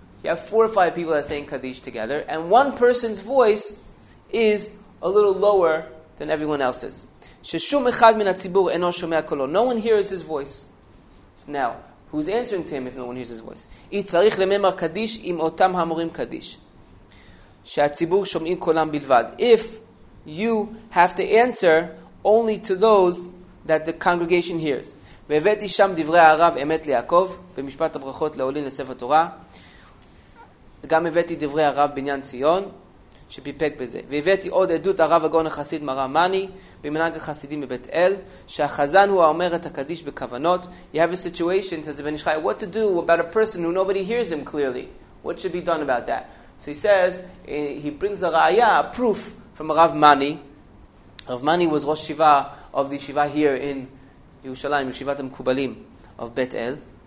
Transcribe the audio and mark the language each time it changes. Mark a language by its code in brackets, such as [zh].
[en] You have 4 or 5 people that are saying קדיש together, and one person's voice is a little lower than everyone else's. [he] ששום אחד מן הציבור אינו שומע קולו. [en] No one hears his voice. So now, who's answering to him if no one hears his voice? [he] אי צריך לממר קדיש עם אותם המורים קדיש. שהציבור שומעים קולם בלבד. [en] If you have to answer only to those that the congregation hears. [he] והבאתי שם דברי הרב אמת ליעקב, במשפט הברכות לעולין לספר תורה. גם הבאתי דברי הרב בניין ציון, שפיפק בזה. והבאתי עוד עדות הרב הגאון החסיד מרא מני, במנהג החסידים בבית אל, שהחזן הוא האומר את הקדיש בכוונות. [en] You have a situation, says the Ben Ish Chai, what to do about a person who nobody hears him clearly? What should be done about that? So he says, he brings a ra'aya, a proof, from Rav Mani. Rav Mani was Rosh Shiva of the Shiva here in Yerushalayim, Yeshivat HaMekubalim of Bet El.